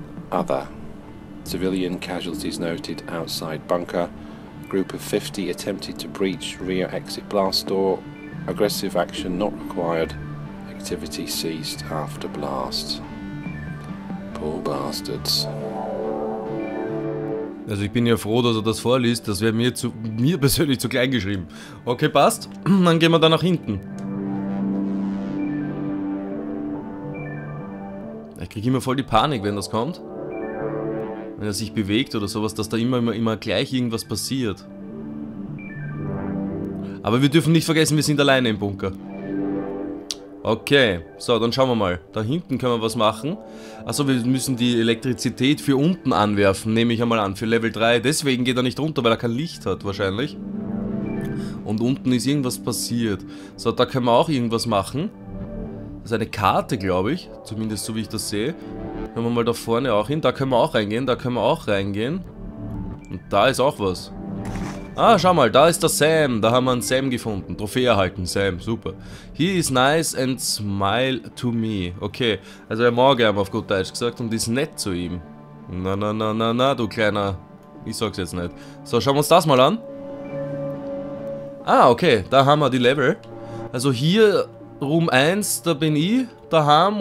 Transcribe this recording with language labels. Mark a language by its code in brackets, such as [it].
[en] Other. Civilian casualties noted outside bunker. Group of 50 attempted to breach rear exit blast door. Aggressive action not required. Activity ceased after blast. Poor bastards. [de] Also ich bin ja froh, dass er das vorliest. Das wäre mir persönlich zu klein geschrieben. Okay, passt. Dann gehen wir da nach hinten. Ich kriege immer voll die Panik, wenn das kommt. Wenn er sich bewegt oder sowas, dass da immer gleich irgendwas passiert. Aber wir dürfen nicht vergessen, wir sind alleine im Bunker. Okay, so, dann schauen wir mal. Da hinten können wir was machen. Achso, wir müssen die Elektrizität für unten anwerfen, nehme ich einmal an, für Level 3. Deswegen geht er nicht runter, weil er kein Licht hat, wahrscheinlich. Und unten ist irgendwas passiert. So, da können wir auch irgendwas machen. Das ist eine Karte, glaube ich. Zumindest so, wie ich das sehe. Schauen wir mal da vorne auch hin. Da können wir auch reingehen, da können wir auch reingehen. Und da ist auch was. Ah, schau mal, da ist der Sam. Da haben wir einen Sam gefunden. Trophäe erhalten, Sam. Super. [en] He is nice and smile to me. [de] Okay, also er mag ihn auf gut Deutsch gesagt und ist nett zu ihm. Na, du kleiner. Ich sag's jetzt nicht. So, schauen wir uns das mal an. Ah, okay, da haben wir die Level. Also hier, Room 1, da bin ich daheim.